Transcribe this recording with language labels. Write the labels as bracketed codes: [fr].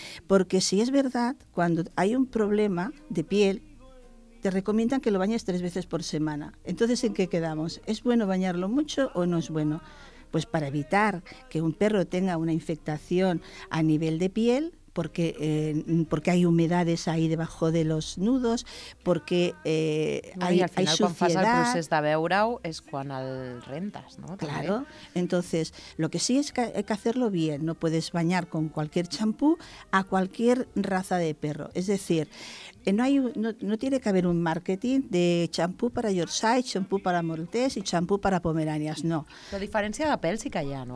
[es] Porque si es verdad, cuando hay un problema de piel, te recomiendan que lo bañes 3 veces por semana. Entonces, ¿en qué quedamos? ¿Es bueno bañarlo mucho o no es bueno? Pues para evitar que un perro tenga una infección a nivel de piel, porque hay humedades ahí debajo de los nudos, porque hay suciedad. [ca] Al final, quan fas el procés de veure-ho, és quan el rentes, ¿no? Claro. També. [es] Entonces, lo que sí es que hay que hacerlo bien. No puedes bañar con cualquier champú a cualquier raza de perro. Es decir, no tiene que haber un marketing de champú para Yorkshire, champú para Maltés y champú para Pomeranias, no. [ca] La diferencia de pèl sí que hi ha, ¿no?